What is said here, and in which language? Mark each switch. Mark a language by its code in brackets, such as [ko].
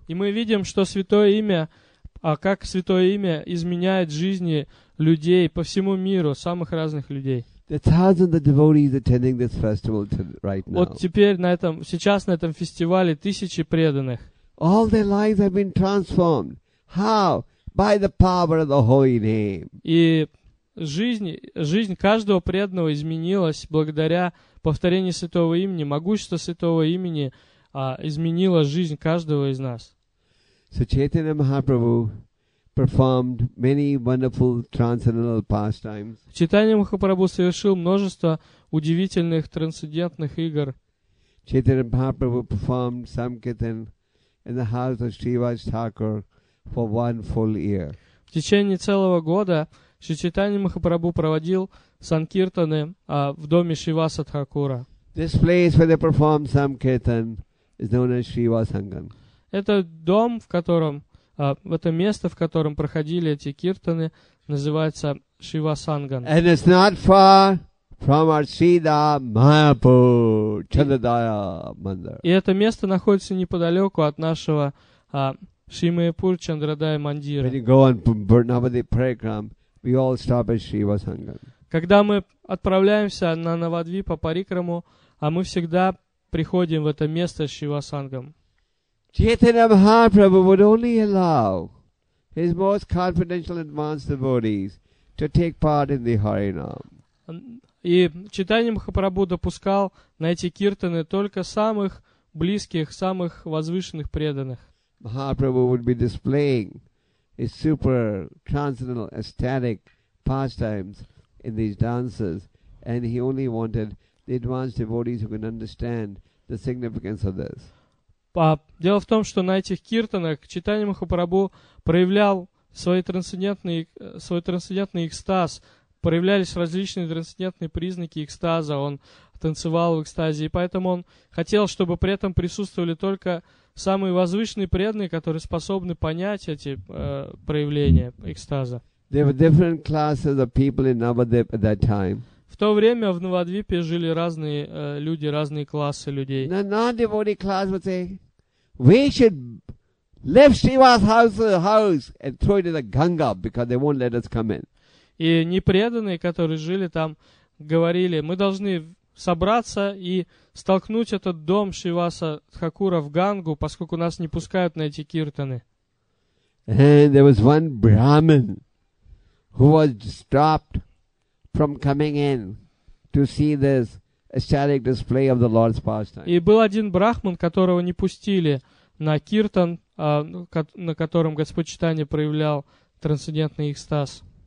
[ru] И мы видим, что Святое Имя, как Святое Имя изменяет жизни людей по всему миру, самых разных людей. [en] There are thousands of devotees attending this festival right now. [ru] Вот теперь на этом, сейчас на этом фестивале тысячи преданных. [en] All their lives have been transformed. How? By the power of the holy name. [ru] И жизнь каждого преданного изменилась благодаря повторение Святого Имени, могущество Святого Имени изменило жизнь каждого из нас. [en] So Chaitanya Mahaprabhu performed many wonderful transcendental pastimes. [ru] Chaitanya Mahaprabhu совершил множество удивительных трансцендентных игр. [en] Chaitanya Mahaprabhu performed Sankirtan in the house of Srivaj Thakur for one full year. [ru] В течение целого года Шри Чайтанья Махапрабху проводил санкиртаны в доме Шриваса Тхакура. [en] This place where they perform samkirtan is known as Shrivasangam. [ru] Это дом, в котором, это место, в котором проходили эти киртаны, называется Шривасанган. [en] And it's not far from our Sida Mayapur Chandadaya Mandir. [ru] И это место находится неподалеку от нашего Шримаяпур Чандрадая Мандира. [en] When you go on Navadvip Parikram, we all stop at Shrivasangam. [ru] Когда мы отправляемся на Навадвипа Парикраму, а мы всегда приходим в это место Шивасангам. [en] Chaitanya Mahaprabhu would only allow his most confidential advanced devotees to take part in the Harinam. [ru] И Чайтанья Махапрабху допускал на эти киртаны только самых близких, самых возвышенных преданных. [en] Махапрабху would be displaying his super transcendental ecstatic pastimes in these dances, and he only wanted the advanced devotees who can understand the significance of this. [ru] Дело в том, что на этих киртанах Чайтанья Махапрабху проявлял свой трансцендентный экстаз, проявлялись различные трансцендентные признаки экстаза, он танцевал в экстазе, и поэтому он хотел, чтобы при этом присутствовали только самые возвышенные преданные, которые способны понять эти проявления экстаза. [en] There were different classes of people in Navadvip at that time. [ru] В то время в Навадвипе жили разные люди, разные классы людей. [en] The non-devotee class would say, we should lift Shiva's house and throw it in the Ganga because they won't let us come in. [ru] И непреданные, которые жили там, говорили, мы должны собраться и столкнуть этот дом Шиваса Тхакура в Гангу, поскольку нас не пускают на эти киртаны. [en] And there was one Brahmin who was stopped from coming in to see this ecstatic display of the Lord's pastime. [ru] И был один брахман, которого не пустили на киртан, на котором Господь Чайтанья проявлял трансцендентный экстаз.